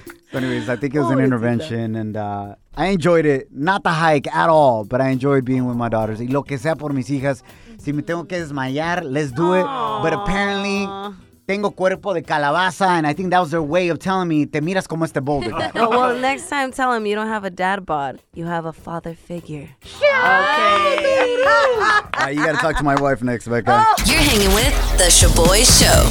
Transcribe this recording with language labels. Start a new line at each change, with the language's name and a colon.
English: So anyways, I think it was an intervention, and I enjoyed it. Not the hike at all, but I enjoyed being with my daughters.
Spanish: Y lo que sea por mis hijas, si me tengo que desmayar,
English: let's do it. Aww. But apparently,
Spanish: tengo cuerpo de calabaza,
English: and I think that was their way of telling me,
Spanish: te miras como este
English: boulder. Well, next time tell him you don't have a dad bod, you have a father figure. Yeah. Okay. You gotta talk to my wife next, Becca. You're hanging with The Shaboy Show.